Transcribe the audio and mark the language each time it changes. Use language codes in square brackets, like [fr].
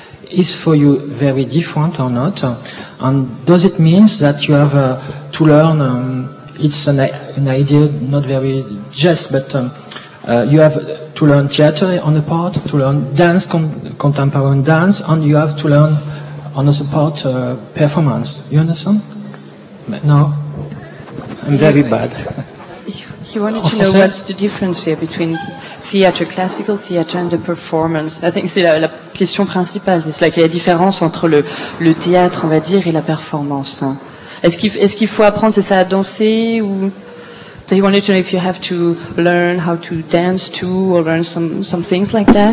[en] Is for you very different or not? And does it mean that you have to learn, it's an idea not very just, but you have to learn theater on a part, to learn dance, contemporary dance, and you have to learn on a support performance. You understand? No? I'm very bad. He wanted to know what's the difference here between theater, classical theater, and the performance. I think [fr] c'est la question principale. C'est la différence entre le théâtre, on va dire, et la performance. Est-ce qu'il faut apprendre, c'est ça, à danser ou... [en] So he wanted to know if you have to learn how to dance too, or learn some things like that.